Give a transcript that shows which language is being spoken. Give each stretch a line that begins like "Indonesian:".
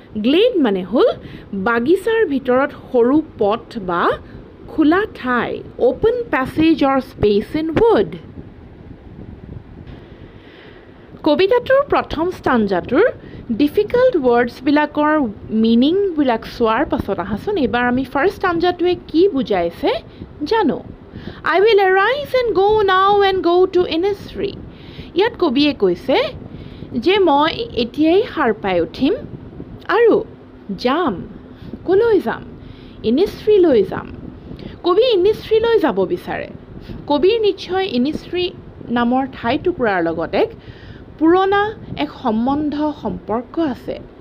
Assamese: Glade মানে হ'ল বাগিচাৰ ভিতৰত সৰু পথ বা খোলা ঠাই,
English: Open passage or space in wood.
Assamese: কবিতাটোৰ প্ৰথম স্তঞ্জাটোৰ ডিফিকাল্ট ৱৰ্ডছবিলাকৰ মিনিংবিলাক চোৱাৰ পাছত আহাচোন এইবাৰ আমি ফাৰ্ষ্ট স্তঞ্জাটোৱে কি বুজাইছে জানো।
English: I will arise and go' now and go' to Innisfree.
Assamese: ইয়াত কবিয়ে কৈছে যে মই এতিয়াই সাৰ পাই উঠিম আৰু যাম। কলৈ যাম? ইনিসফ্রীলৈ যাম। কবি ইনিসফ্রীলৈ যাব বিচাৰে। কবিৰ নিশ্চয় ইনিসফ্রী নামৰ ঠাইটুকুৰাৰ লগত এক পুৰণা এক সম্বন্ধ সম্পৰ্ক আছে।